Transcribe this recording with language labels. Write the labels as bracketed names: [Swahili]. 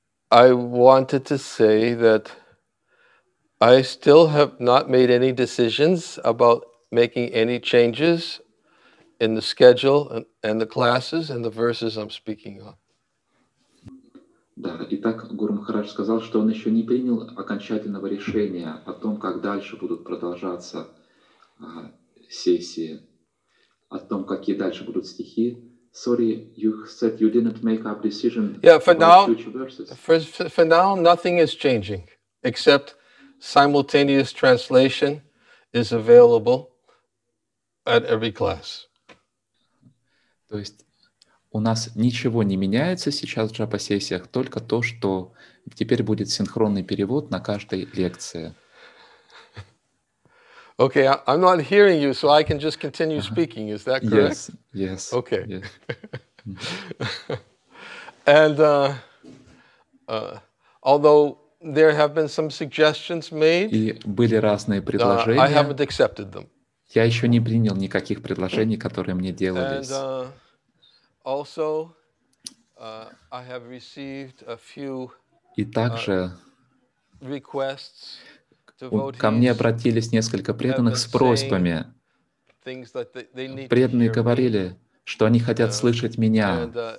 [English] I wanted to say that I still have not made any decisions about making any changes in the schedule and the classes and the verses I'm speaking on. [Russian] Да, и так Гуру Махарадж сказал, что он еще не принял окончательного решения о том, как дальше будут продолжаться сессии, о том, какие дальше будут стихи. [English] Sorry, you said you didn't make a decision. Yeah, for now, nothing is changing, except simultaneous translation is available at every class. [Russian] То есть у нас ничего не меняется сейчас в джапа-сессиях, только то, что теперь будет синхронный перевод на каждой лекции. [English] Okay, I'm not hearing you, so I can just continue speaking. Is that correct? Yes, yes. Okay. Yes. And although there have been some suggestions made, [Russian] и были разные предложения, [English] I haven't accepted them. [Russian] Я еще не принял никаких предложений, которые мне делались. [English] And also, I have received a few requests. [Russian] Ко мне обратились несколько преданных с просьбами. Преданные говорили, что они хотят слышать меня.